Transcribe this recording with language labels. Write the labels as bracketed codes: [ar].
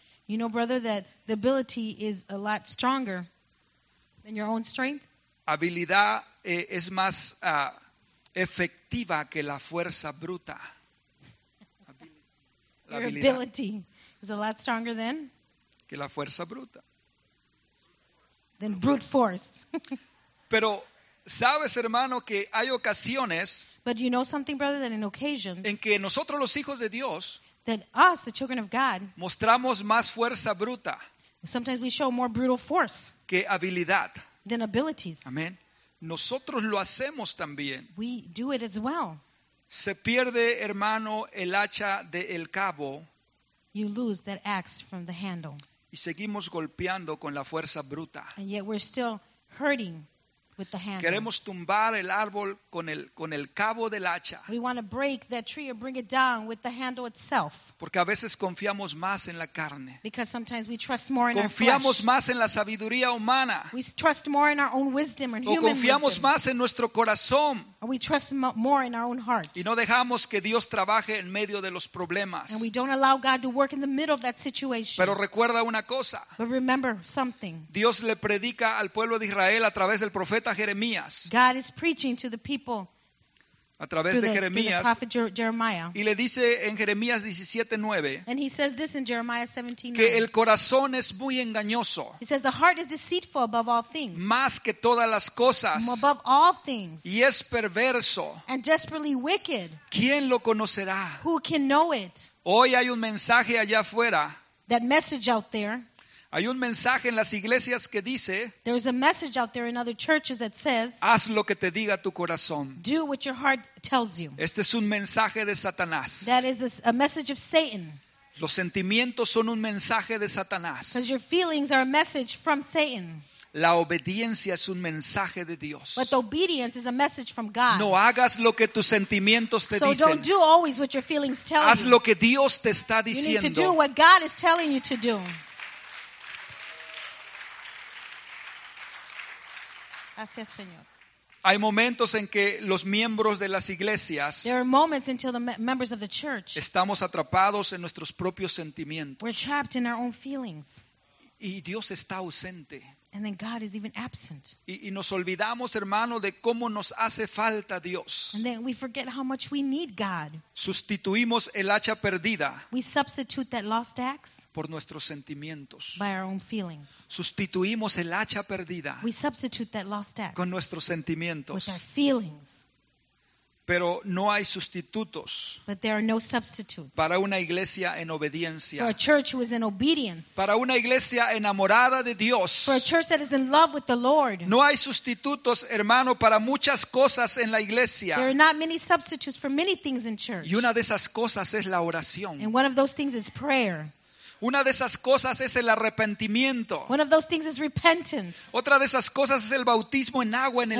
[en] You know, brother, that the ability is a lot stronger than your own strength? [es] Habilidad es más efectiva que la fuerza bruta. [en] Your ability is a lot stronger than? [es] Que la fuerza bruta. [en] Than brute force. [es] Pero sabes, hermano, que hay ocasiones. [en] But you know something, brother, that in occasions. [es] En que nosotros, los hijos de Dios. [en] That us, the children of God. [es] Mostramos más fuerza bruta. [en] Sometimes we show more brutal force. [es] Que habilidad. [en] Than abilities. [es] Amén. Nosotros lo hacemos también. [en] We do it as well. [es] Se pierde, hermano, el hacha del cabo. [en] You lose that axe from the handle. [es] Y seguimos golpeando con la fuerza bruta. [en] And yet we're still hurting with the handle. [es] Queremos tumbar el árbol con el cabo del hacha. [en] We want to break that tree or bring it down with the handle itself. [es] Porque a veces confiamos más en la carne. [en] Because sometimes we trust more in [es] confiamos [en] our flesh. [es] Más en la sabiduría humana. [en] We trust more in our own wisdom or [es] o [en] human [es] confiamos [en] wisdom. [es] Más en nuestro corazón. [en] Or we trust more in our own heart. [es] Y no dejamos que Dios trabaje en medio de los problemas. [en] And we don't allow God to work in the middle of that situation. [es] Pero recuerda una cosa. [en] But remember something. [es] Dios le predica al pueblo de Israel a través del profeta Jeremías. [en] God is preaching to the people. [es] a través [en] through [es] de Jeremías [en] the prophet Jeremiah. [es] Y le dice en Jeremías 17:9, [en] and he says this in Jeremiah 17:9, [es] que el corazón es muy engañoso. [en] He says the heart is deceitful above all things, [es] más que todas las cosas, [en] above all things, [es] y es perverso, [en] and desperately wicked. [es] ¿Quién lo conocerá? [en] Who can know it? [es] Hoy hay un mensaje allá afuera, [en] that message out there. [es] Hay un mensaje en las iglesias que dice, [en] there is a message out there in other churches that says, [es] haz lo que te diga tu corazón. [en] Do what your heart tells you. [es] Este es un mensaje de Satanás. [en] That is a message of Satan. [es] Los sentimientos son un mensaje de Satanás. [en] Because your feelings are a message from Satan. [es] La obediencia es un mensaje de Dios. [en] But obedience is a message from God. [es] No hagas lo que tus sentimientos te [en] so [es] dicen. [en] So don't do always what your feelings tell [es] haz Haz lo que Dios te está diciendo. [en] You need to do what God is telling you to do. [es] Gracias, Señor. Hay momentos en que los miembros de las iglesias, [en] there are moments until the members of the church, [es] estamos atrapados en nuestros propios sentimientos. [en] We're trapped in our own feelings. [es] Y Dios está ausente. [en] And then God is even absent. [es] Y nos olvidamos, hermano, de cómo nos hace falta Dios. [en] And then we forget how much we need God. [es] Sustituimos el hacha perdida. [en] We substitute that lost axe [es] por nuestros sentimientos. [en] By our own feelings. [es] Sustituimos el hacha perdida. [en] We substitute that lost axe [es] con nuestros sentimientos. [en] With our feelings. [es] Pero no hay sustitutos, [en] but there are no substitutes, [es] para una iglesia en obediencia, [en] for a church who is in obedience, [es] para una iglesia enamorada de Dios, [en] for a church that is in love with the Lord. [es] No hay sustitutos, hermano, para muchas cosas en la iglesia. [en] There are not many substitutes for many things in church. [es] Y una de esas cosas es la oración. [en] And one of those things is prayer. [es] Una de esas cosas es el arrepentimiento. [en] One of those things is repentance. [es] Otra de esas cosas es el bautismo en agua en el